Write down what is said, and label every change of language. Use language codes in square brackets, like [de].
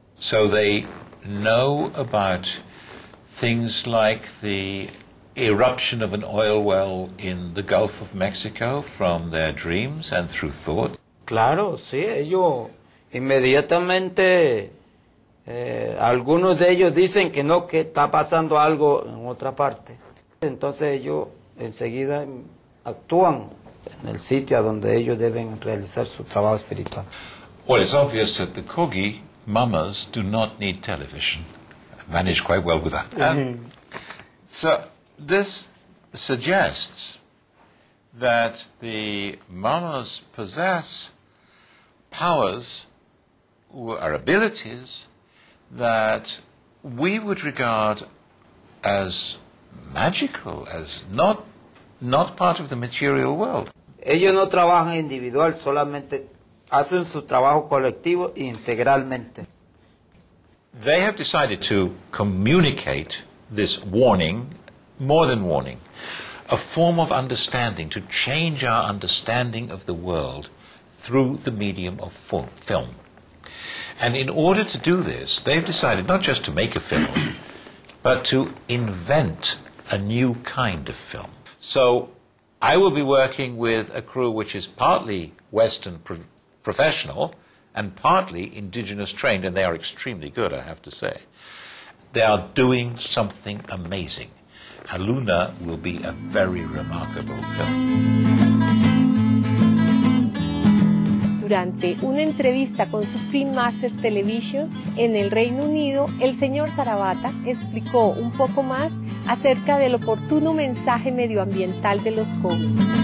[en] So they know about things like the eruption of an oil well in the Gulf of Mexico from their dreams and through thought? [es] Claro, sí, ellos inmediatamente, algunos de ellos dicen que no, que está pasando algo en otra parte. Entonces ellos enseguida actúan en el sitio a donde ellos deben realizar su trabajo espiritual. [en] Well, it's obvious that the Kogi mamas do not need television. Manage quite well with that. So this suggests that the mamas possess powers or abilities that we would regard as magical, as not part of the material world. [es] Ellos no trabajan individual, solamente hacen su trabajo colectivo integralmente. [en] They have decided to communicate this warning, more than warning, a form of understanding, to change our understanding of the world through the medium of film. And in order to do this, they've decided not just to make a film, but to invent a new kind of film. So I will be working with a crew which is partly Western professional and partly indigenous trained, and they are extremely good, I have to say. They are doing something amazing. Aluna will be a very remarkable film. [es] Durante una entrevista con Supreme Master Television en el Reino Unido, el señor Sarabata explicó un poco más acerca del oportuno mensaje medioambiental de los Kogi.